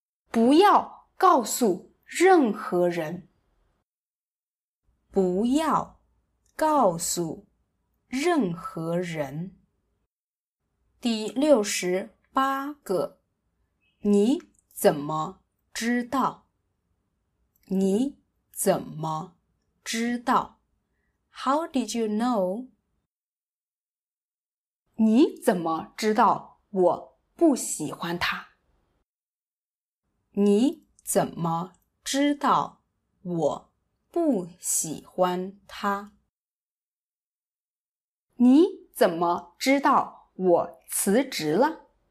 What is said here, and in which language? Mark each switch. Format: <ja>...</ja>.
<zh>不要告诉任何人，不要告诉任何人。第六十八个，你怎么知道？你怎么知道</zh> <en>？How did you know？</en> <zh>你怎么知道我不喜欢他？你怎么知道我不喜欢他？你怎么知道我辞职了？</zh>